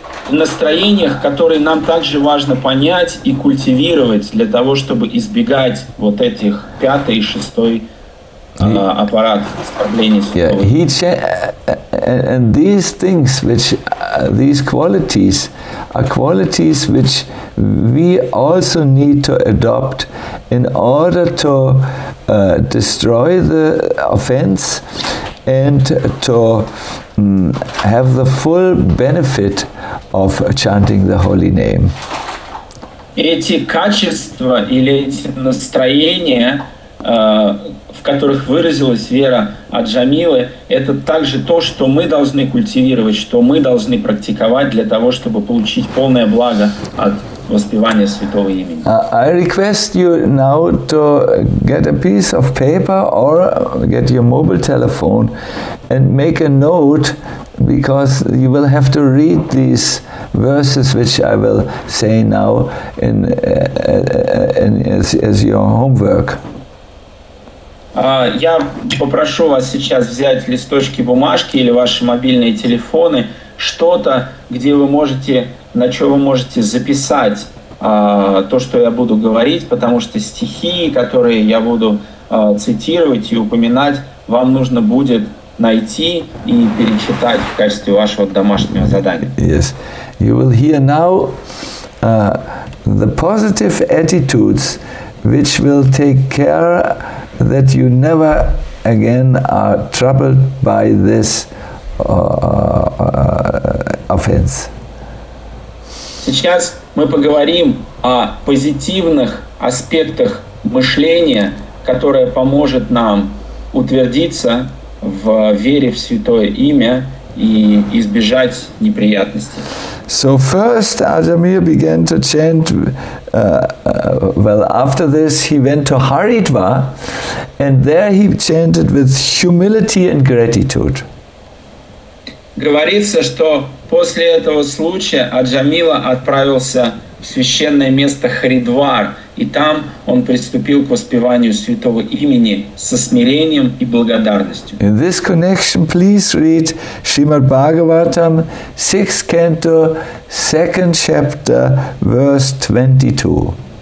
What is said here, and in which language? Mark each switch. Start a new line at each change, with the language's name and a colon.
Russian: В настроениях, которые нам также важно понять и культивировать для того, чтобы избегать вот этих пятый и шестой аппарат исправления святого.
English: Yeah, and these things, which these qualities, are qualities which we also need to adopt in order to destroy the offense and to have the full benefit of chanting the holy name.
Russian: Эти качества или эти настроения, в которых выразилась вера Аджамилы, это также то, что мы должны культивировать, что мы должны практиковать для того, чтобы получить полное благо от воспевания святого имени.
English: I request you now to get a piece of paper or get your mobile telephone and make a note, because you will have to read these verses which I will say now as your homework.
Russian: Я попрошу вас сейчас взять листочки бумажки или ваши мобильные телефоны, что-то, где вы можете, на что вы можете записать то, что я буду говорить, потому что стихи, которые я буду цитировать и упоминать, вам нужно будет найти и перечитать в качестве вашего домашнего задания.
English: Yes. You will hear now the positive attitudes which will take care that you never again are troubled by this offense.
Russian: Сейчас мы поговорим о позитивных аспектах мышления, которое поможет нам утвердиться в вере в святое имя и избежать неприятностей.
English: So first Ajamir began to chant, after this he went to Haridva, and there he chanted with humility and gratitude.
Russian: Говорится, что после этого случая Аджамила отправился в священное место Харидвар, и там он приступил к воспеванию святого имени со смирением и благодарностью.
English: In this connection, please read Shrimad Bhagavatam, 6th canto, 2nd chapter, verse 22.